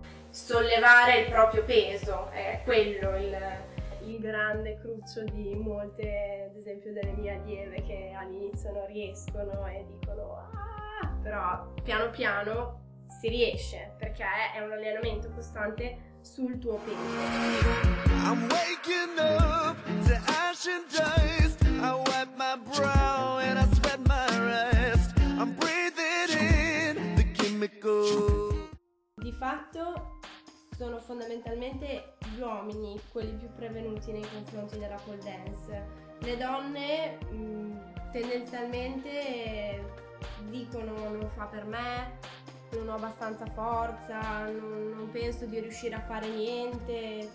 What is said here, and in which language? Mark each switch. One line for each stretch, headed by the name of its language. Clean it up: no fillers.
Italian: Sollevare il proprio peso è quello il grande cruccio di molte, ad esempio, delle mie allieve che all'inizio non riescono e dicono: ah, però piano piano si riesce, perché è un allenamento costante sul tuo peso.
English: I'm waking up to ash and dust. I wipe my brow and I sweat my rest. I'm breathing in the chemical.
Italian: Di fatto sono fondamentalmente gli uomini quelli più prevenuti nei confronti della pole dance. Le donne tendenzialmente dicono: non fa per me, non ho abbastanza forza, non penso di riuscire a fare niente.